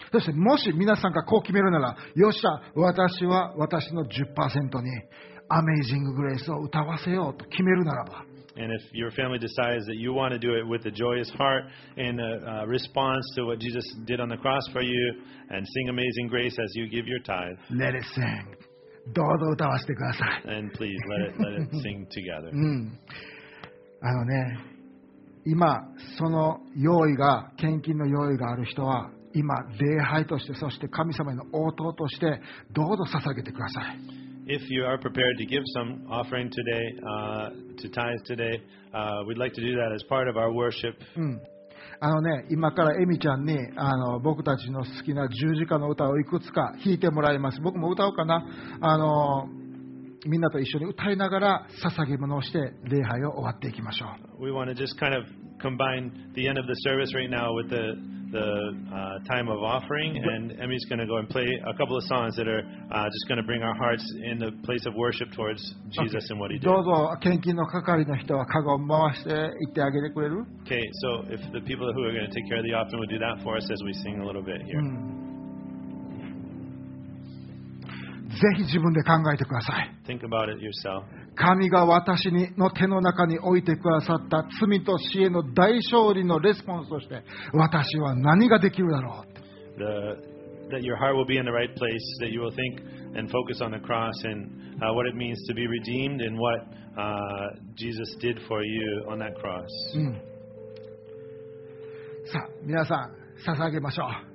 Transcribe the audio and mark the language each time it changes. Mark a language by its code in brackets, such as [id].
[ja] そしてもし皆さんがこう決めるなら、よっしゃ、私は私の 10% に Amazing Grace を歌わせようと決めるならば。 [en] And if your family decides that you want to do it with a joyous heart in a response to what Jesus did on the cross for you and sing Amazing Grace as you give your tithe. Let it sing. [ja] どうぞ歌わせてください。 [en] And please let it sing together. [ja] あのね、今その用意が献金の用意がある人は今礼拝としてそして神様への応答としてどうぞ捧げてください。 [en] If you are prepared to give some offering today, to tithe today, we'd like to do that as part of our worship. [ja] あのね、今からエミちゃんにあの僕たちの好きな十字架の歌をいくつか弾いてもらいます。僕も歌おうかな。あのみんなと一緒に歌いながら捧げ物をして礼拝を終わっていきましょう。 [en] We want to just kind of combine the end of the service right now with the time of offering, and Emmy's going to go and play a couple of songs that are just going to bring our hearts in the place of worship towards Jesus and what He did. [ja] どうぞ献金の係の人はカゴを回して行ってあげてくれる? [en] Okay, so if the people who are going to take care of the offering will do that for us as we sing a little bit here. [ja] ぜひ自分で考えてください。 [en] Think about it yourself. [ja] 神が私の手の中に置いてくださった罪と死への大勝利のレスポンスとして私は何ができるだろう。 [en] That your heart will be in the right place, that you will think and focus on the cross and what it means to be redeemed and what Jesus did for you on that cross.、 [ja] うん、さあ、皆さん、捧げましょう。